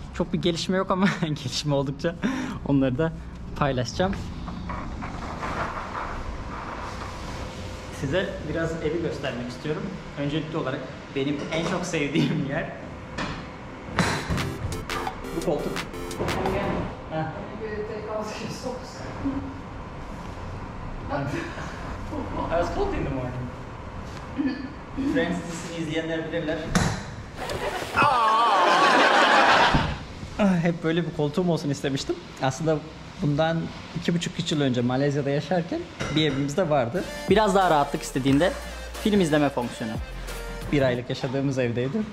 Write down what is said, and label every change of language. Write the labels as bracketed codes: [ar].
[tr] Çok bir gelişme yok ama gelişme oldukça onları da paylaşacağım. Size biraz evi göstermek istiyorum. Öncelikli olarak benim en çok sevdiğim yer bu koltuk. [en] I was cold in the morning. [tr] Friends, dizisini izleyenler bilirler. Hep böyle bir koltuğum olsun istemiştim. Aslında bundan 2,5 yıl önce Malezya'da yaşarken bir evimizde vardı. Biraz daha rahatlık istediğinde film izleme fonksiyonu. Bir aylık yaşadığımız evdeydi.